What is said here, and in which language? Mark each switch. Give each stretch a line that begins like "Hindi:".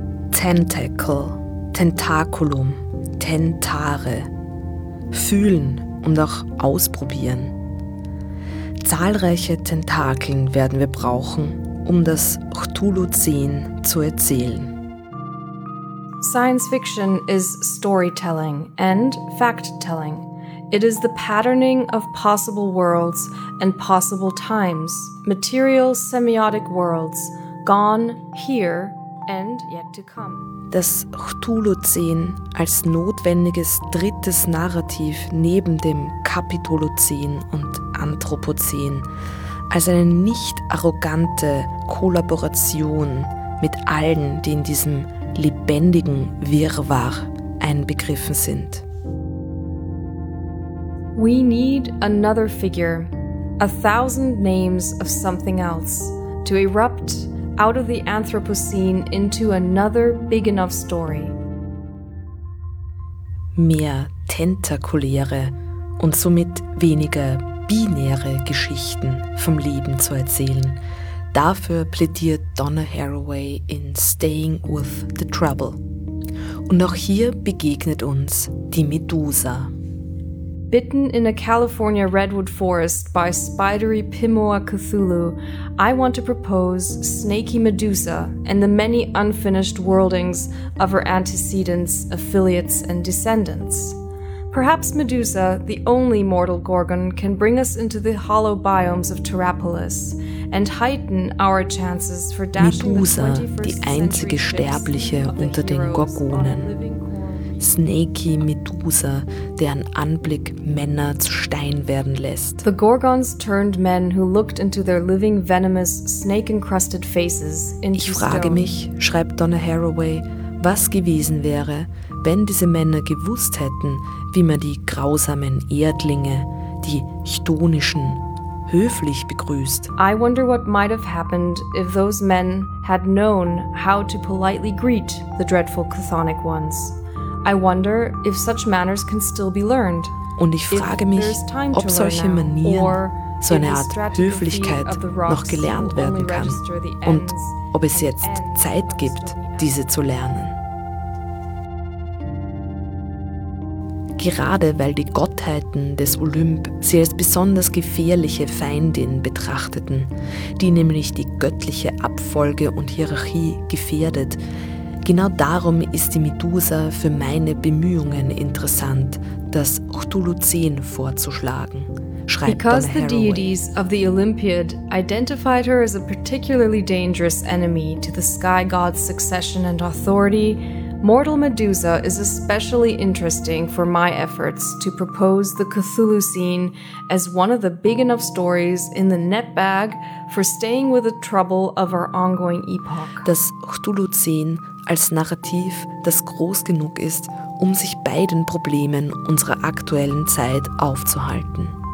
Latin: Tentacle, Tentaculum, Tentare.
German: Fühlen und auch ausprobieren. Zahlreiche Tentakeln werden wir brauchen, um das Cthulhuzän zu erzählen.
English: Science fiction is storytelling and fact-telling. It is the patterning of possible worlds and possible times, material semiotic worlds, gone, here and yet to come.
German: Das Cthulhuzän als notwendiges drittes Narrativ neben dem Kapitolozän und Anthropozän, als eine nicht arrogante Kollaboration mit allen, die in diesem lebendigen Wirrwarr einbegriffen sind.
English: We need another figure, a thousand names of something else, to erupt out of the Anthropocene into another big enough story.
German: Mehr tentakuläre und somit weniger binäre Geschichten vom Leben zu erzählen. Dafür plädiert Donna Haraway in Staying with the Trouble. Und auch hier begegnet uns die Medusa.
English: Bitten in a California redwood forest by spidery Pimoa Cthulhu, I want to propose Snaky Medusa and the many unfinished worldings of her antecedents, affiliates, and descendants. Perhaps Medusa, the only mortal Gorgon, can bring us into the hollow biomes of Terrapolis and heighten our chances for dashing Medusa, the 21st century ships of the heroes.
German: Medusa, die einzige Sterbliche unter den Gorgonen. Snaky Medusa, deren Anblick Männer zu Stein werden lässt.
English: The Gorgons turned men who looked into their living, venomous, snake-encrusted faces into stone.
German: Ich frage mich, schreibt Donna Haraway, was gewesen wäre, wenn diese Männer gewusst hätten, wie man die grausamen Erdlinge, die chthonischen, höflich begrüßt.
English: I wonder what might have happened if those men had known how to politely greet the dreadful chthonic ones. I wonder if such manners can still be learned.
German: Und ich frage mich, ob solche Manieren, so eine Art Höflichkeit, noch gelernt werden kann und ob es jetzt Zeit gibt, diese zu lernen. Gerade weil die Gottheiten des Olymp sie als besonders gefährliche Feindin betrachteten, die nämlich die göttliche Abfolge und Hierarchie gefährdet, genau darum ist die Medusa für meine Bemühungen interessant, das Chthuluzen vorzuschlagen, schreibt Donna Haraway.
English: Because the deities of the Olympiad identified her as a particularly dangerous enemy to the sky god's succession and authority, mortal Medusa is especially interesting for my efforts to propose the Cthulhu scene as one of the big enough stories in the net bag for staying with the trouble of our ongoing epoch.
German: Das Chthuluzen als Narrativ, das groß genug ist, um sich beiden Problemen unserer aktuellen Zeit aufzuhalten.